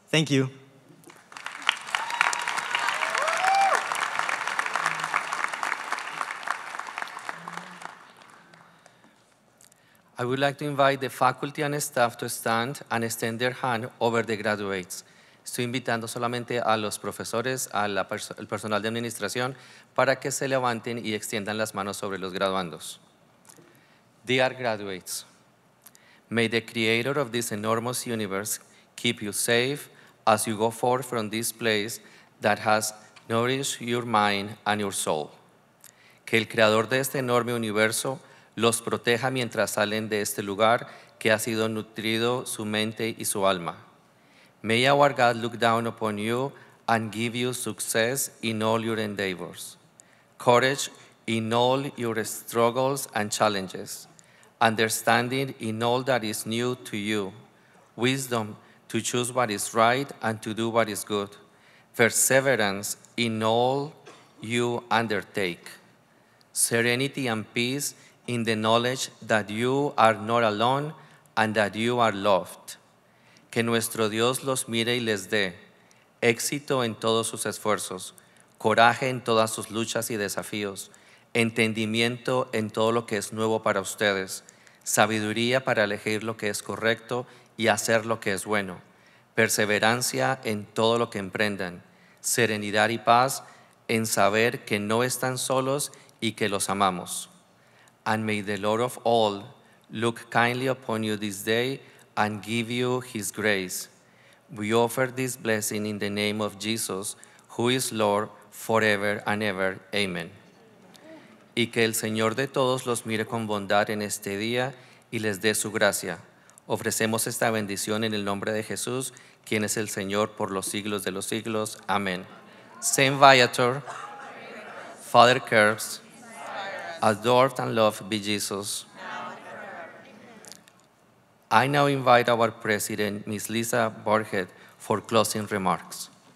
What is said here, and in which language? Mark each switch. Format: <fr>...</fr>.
<en>Thank you. I would like to invite the faculty and staff to stand and extend their hand over the graduates.</en> <es>Estoy invitando solamente a los profesores, al personal de administración, para que se levanten y extiendan las manos sobre los graduandos.</es> <en>Dear graduates, may the creator of this enormous universe keep you safe as you go forth from this place that has nourished your mind and your soul.</en> <es>Que el creador de este enorme universo los proteja mientras salen de este lugar que ha sido nutrido su mente y su alma.</es> <en>May our God look down upon you and give you success in all your endeavors, courage in all your struggles and challenges, understanding in all that is new to you, wisdom to choose what is right and to do what is good, perseverance in all you undertake, serenity and peace in the knowledge that you are not alone and that you are loved.</en> <es>Que nuestro Dios los mire y les dé éxito en todos sus esfuerzos, coraje en todas sus luchas y desafíos, entendimiento en todo lo que es nuevo para ustedes, sabiduría para elegir lo que es correcto y hacer lo que es bueno, perseverancia en todo lo que emprendan, serenidad y paz en saber que no están solos y que los amamos.</es> <en>And may the Lord of all look kindly upon you this day and give you his grace. We offer this blessing in the name of Jesus, who is Lord forever and ever. Amen.</en> <es>Y que el Señor de todos los mire con bondad en este día y les dé su gracia. Ofrecemos esta bendición en el nombre de Jesús, quien es el Señor por los siglos de los siglos. Amen.</es> <en>Saint Viator, Father Curbs, adored and loved be Jesus. I now invite our president, Ms. Lisa Borget, for closing remarks.</en>